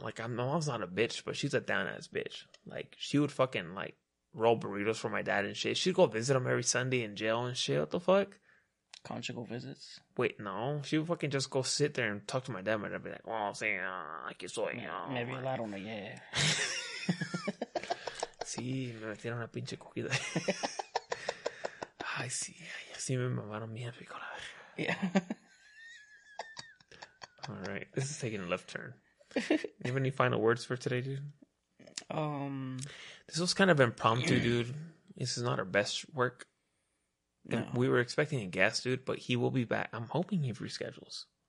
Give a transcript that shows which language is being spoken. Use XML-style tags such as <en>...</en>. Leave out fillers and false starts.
<en>Like, my mom's not a bitch, but she's a down-ass bitch. Like, she would fucking, like, roll burritos for my dad and shit. She'd go visit him every Sunday in jail and shit. What the fuck? Conjugal visits? Wait, no. She would fucking just go sit there and talk to my dad. My dad would be like, oh, I'm saying, like, it's so, maybe a lot on the yeah.</en> <es>Sí, me metieron una pinche cogida. Ay, sí. Sí, me mamaron bien rico, la verdad.</es> <en>Yeah. All right. This is taking a left turn. You have any final words for today, dude? This was kind of impromptu, dude. This is not our best work. No. We were expecting a guest, dude, but he will be back. I'm hoping he reschedules.</en>